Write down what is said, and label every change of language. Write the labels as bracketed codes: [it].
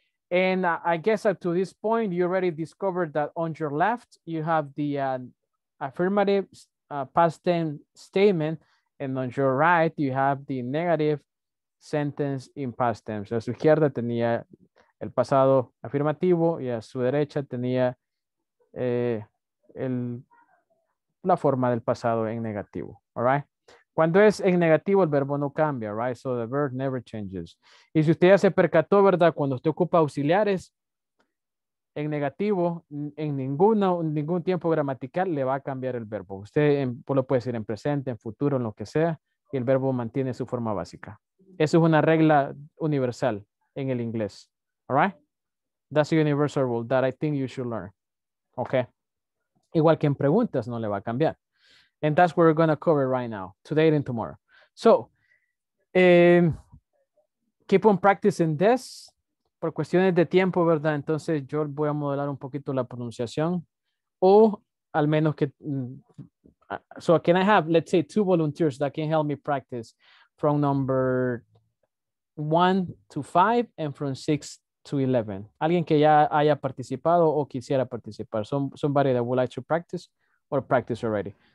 [en] And I guess up to this point, you already discovered that on your left, you have the affirmative past tense statement. And on your right, you have the negative sentence in past tense. [es] A su izquierda tenía el pasado afirmativo y a su derecha tenía la forma del pasado en negativo. All right. Cuando es en negativo, el verbo no cambia, [en] right? So the verb never changes. [es] Y si usted ya se percató, ¿verdad? Cuando usted ocupa auxiliares en negativo, en ningún tiempo gramatical le va a cambiar el verbo. Usted lo puede decir en presente, en futuro, en lo que sea, y el verbo mantiene su forma básica. Eso es una regla universal en el inglés. [en] All right? That's a universal rule that I think you should learn. Okay? [es] Igual que en preguntas, no le va a cambiar. [en] And that's what we're going to cover right now, today and tomorrow. So, keep on practicing this. [es] Por cuestiones de tiempo, ¿verdad? Entonces, yo voy a modelar un poquito la pronunciación. O, al menos que... [en] So, can I have, let's say, 2 volunteers that can help me practice from number 1 to 5 and from 6 to 11? [es] Alguien que ya haya participado o quisiera participar. [en] Somebody that would like to practice or practice already.